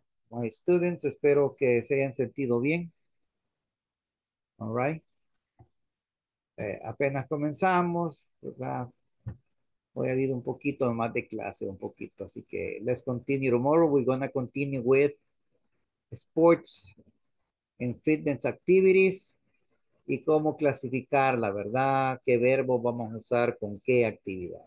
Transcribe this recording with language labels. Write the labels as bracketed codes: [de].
[en] My students, [es] espero que se hayan sentido bien. [en] All right. [es] Apenas comenzamos, ¿verdad? Hoy ha habido un poquito más de clase, un poquito. Así que [en] let's continue tomorrow. We're going to continue with sports and fitness activities. [es] Y cómo clasificarla, ¿verdad? ¿Qué verbo vamos a usar con qué actividad?